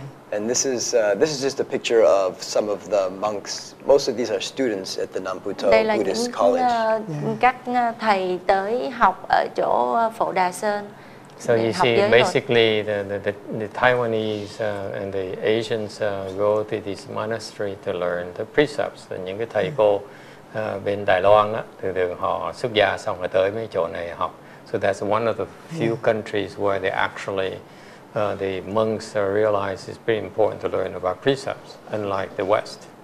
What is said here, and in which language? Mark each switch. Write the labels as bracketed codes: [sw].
[en] And this is just a picture of some of the monks. Most of these are students at the Nan Pu To Buddhist College. [vi] Đây là các thầy tới học ở chỗ Phổ Đà Sơn. [en] So you see, basically the Taiwanese and the Asians go to this monastery to learn the precepts. [vi] Những cái thầy cô bên Đài Loan á, thường họ xuất gia xong rồi tới mấy chỗ này học. [en] So that's one of the few countries where they actually. The monks realize it's pretty important to learn about precepts, unlike the West.